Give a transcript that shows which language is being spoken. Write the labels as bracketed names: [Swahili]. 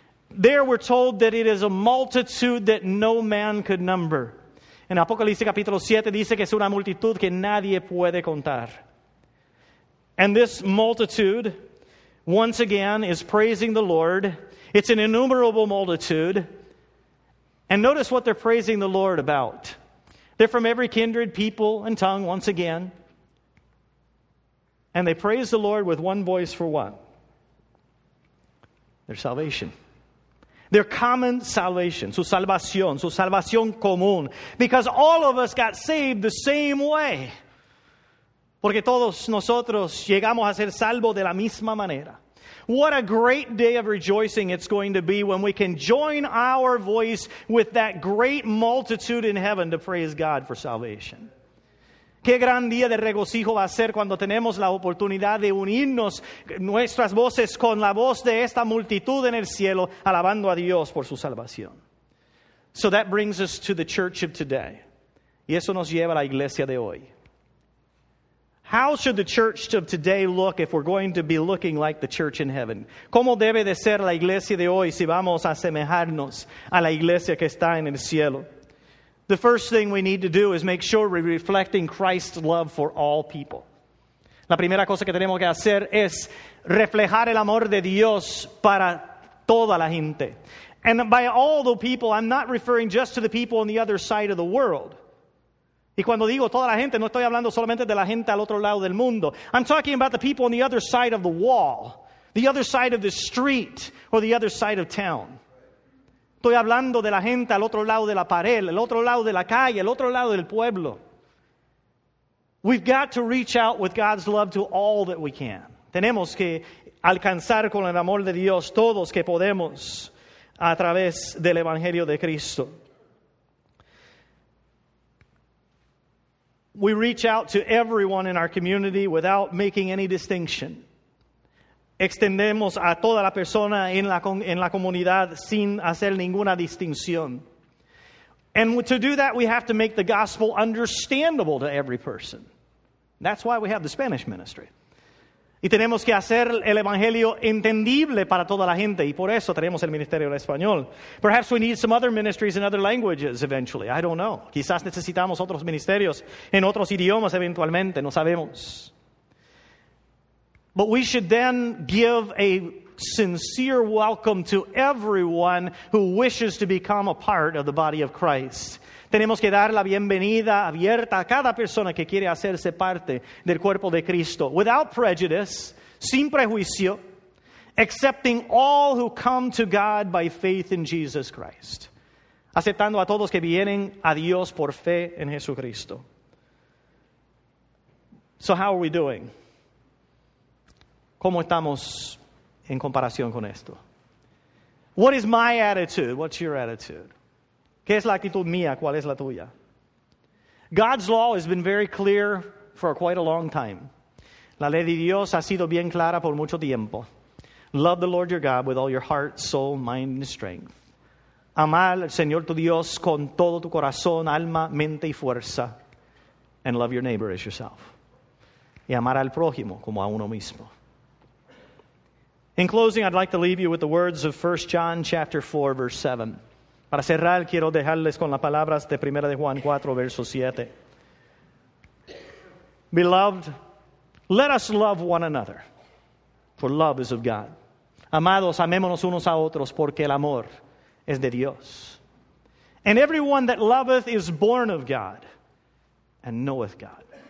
[English] There we're told that it is a multitude that no man could number. [Spanish] En Apocalipsis capítulo 7 dice que es una multitud que nadie puede contar. [English] And this multitude, once again, is praising the Lord. It's an innumerable multitude. And notice what they're praising the Lord about. They're from every kindred, people, and tongue, once again. And they praise the Lord with one voice for what? Their salvation. Their common salvation. [Spanish] Su salvación común. [English] Because all of us got saved the same way. [Spanish] Porque todos nosotros llegamos a ser salvos de la misma manera. [English] What a great day of rejoicing it's going to be when we can join our voice with that great multitude in heaven to praise God for salvation. [Spanish] Qué gran día de regocijo va a ser cuando tenemos la oportunidad de unirnos nuestras voces con la voz de esta multitud en el cielo alabando a Dios por su salvación. [English] So that brings us to the church of today. [Spanish] Y eso nos lleva a la iglesia de hoy. [English] How should the church of today look if we're going to be looking like the church in heaven? [Spanish] ¿Cómo debe de ser la iglesia de hoy si vamos a asemejarnos a la iglesia que está en el cielo? [English] The first thing we need to do is make sure we're reflecting Christ's love for all people. [Spanish] La primera cosa que tenemos que hacer es reflejar el amor de Dios para toda la gente. [English] And by all the people, I'm not referring just to the people on the other side of the world. [Spanish] Y cuando digo toda la gente, no estoy hablando solamente de la gente al otro lado del mundo. [English] I'm talking about the people on the other side of the wall, the other side of the street, or the other side of town. [Spanish] Estoy hablando de la gente al otro lado de la pared, el otro lado de la calle, el otro lado del pueblo. [English] We've got to reach out with God's love to all that we can. [Spanish] Tenemos que alcanzar con el amor de Dios todos que podemos a través del Evangelio de Cristo. [English] We reach out to everyone in our community without making any distinction. [Spanish] Extendemos a toda la persona en la comunidad sin hacer ninguna distinción. [English] And to do that, we have to make the gospel understandable to every person. That's why we have the Spanish ministry. [Spanish] Y tenemos que hacer el evangelio entendible para toda la gente, y por eso tenemos el ministerio en español. [English] Perhaps we need some other ministries in other languages eventually. I don't know. [Spanish] Quizás necesitamos otros ministerios en otros idiomas eventualmente. No sabemos. [English] But we should then give a sincere welcome to everyone who wishes to become a part of the body of Christ. [Spanish] Tenemos que dar la bienvenida abierta a cada persona que quiere hacerse parte del cuerpo de Cristo. [English] Without prejudice, [Spanish] sin prejuicio, [English] accepting all who come to God by faith in Jesus Christ. [Spanish] Aceptando a todos que vienen a Dios por fe en Jesucristo. [English] So how are we doing? [Spanish] ¿Cómo estamos en comparación con esto? [English] What is my attitude? What's your attitude? [Spanish] ¿Qué es la actitud mía? ¿Cuál es la tuya? [English] God's law has been very clear for quite a long time. [Spanish] La ley de Dios ha sido bien clara por mucho tiempo. [English] Love the Lord your God with all your heart, soul, mind, and strength. [Spanish] Amar al Señor tu Dios con todo tu corazón, alma, mente y fuerza. [English] And love your neighbor as yourself. [Spanish] Y amar al prójimo como a uno mismo. [English] In closing, I'd like to leave you with the words of 1 John chapter 4, verse 7. [Spanish] Para cerrar, quiero dejarles con las palabras de 1 Juan 4, verso 7. [English] Beloved, let us love one another, for love is of God. [Spanish] Amados, amémonos unos a otros, porque el amor es de Dios. [English] And everyone that loveth is born of God and knoweth God.